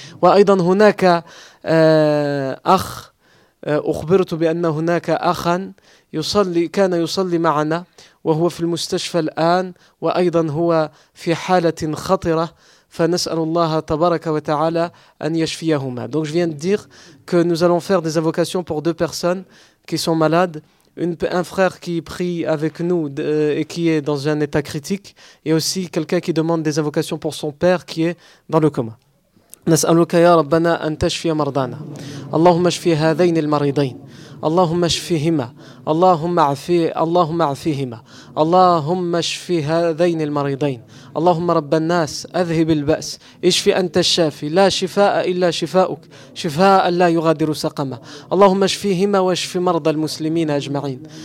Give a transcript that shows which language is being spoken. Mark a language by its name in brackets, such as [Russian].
[Arabic] وأيضا هناك أخ أخبرت بأن هناك أخا يصلي كان يصلي معنا وهو في المستشفى الآن وأيضا هو في حالة خطرة فنسأل الله تبارك وتعالى أن يشفيهما. [French] Donc je viens de dire que nous allons faire des invocations pour deux personnes qui sont malades, un frère qui prie avec nous et qui est dans un état critique, et aussi quelqu'un qui demande des invocations pour son père qui est dans le coma. [Arabic] نسألك يا ربنا أن تشفي مرضانا اللهم اشفي هذين المريضين اللهم اشفهما اللهم اعفهما اللهم اشفي هذين المريضين اللهم رب الناس أذهب البأس اشف أنت الشافي لا شفاء إلا شفاؤك شفاء لا يغادر سقما اللهم اشفهما واشف مرضى المسلمين أجمعين